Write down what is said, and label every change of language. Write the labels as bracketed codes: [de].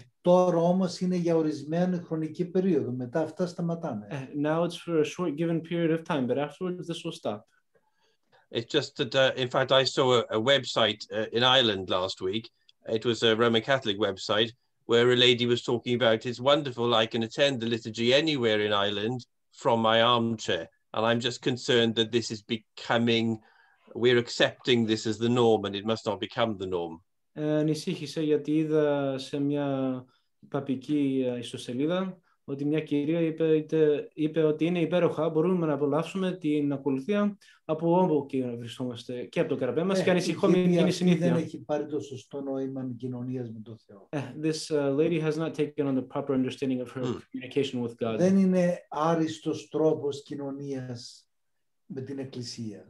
[el] Τώρα όμως είναι για ορισμένη χρονική περίοδο. Μετά αυτά σταματάνε. [en] Now it's for a short given period of time, but afterwards this will stop. It's just that, in fact, I saw a website in Ireland last week. It was a Roman Catholic website where a lady was talking about it's wonderful, I can attend the liturgy anywhere in Ireland from my armchair. And I'm just concerned that this is becoming, we're accepting this as the norm and it must not become the norm. [el] Ανησύχησα γιατί είδα σε μια παπική ιστοσελίδα ότι μια κυρία είπε ότι είναι υπέροχα, μπορούμε να απολαύσουμε την ακολουθία από όπου και να βρισκόμαστε και από το καραπέ μας και ανησυχώ μην γίνει συνήθεια. Δεν έχει πάρει το σωστό νόημα κοινωνίας με τον Θεό. [en] This lady has not taken on the proper understanding of her communication with God. [el] Δεν είναι άριστος τρόπος κοινωνίας με την Εκκλησία.